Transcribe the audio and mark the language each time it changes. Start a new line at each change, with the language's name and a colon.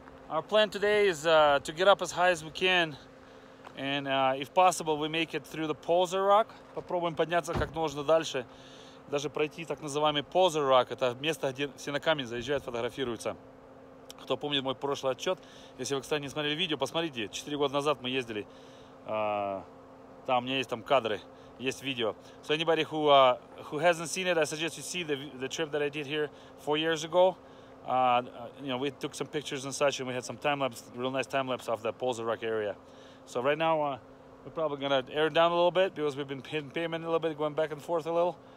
English: Our plan today is to get up as high as we can, and if possible, we make it through the poser rock.
Russian: Попробуем подняться как можно дальше, даже пройти так называемый poser rock. Это место, где все на камень заезжают, фотографируются. Кто помнит мой прошлый отчет, если вы, кстати, не смотрели видео, посмотрите. 4 года назад мы ездили. Там у меня есть там кадры, есть видео.
English: So anybody who who hasn't seen it, I suggest you see the trip that I did here 4 years ago. You know, we took some pictures and such, and we had some time-lapse, real nice time-lapse of the Poser Rock area. So right now, we're probably gonna air down a little bit because we've been hitting pavement a little bit, going back and forth a little.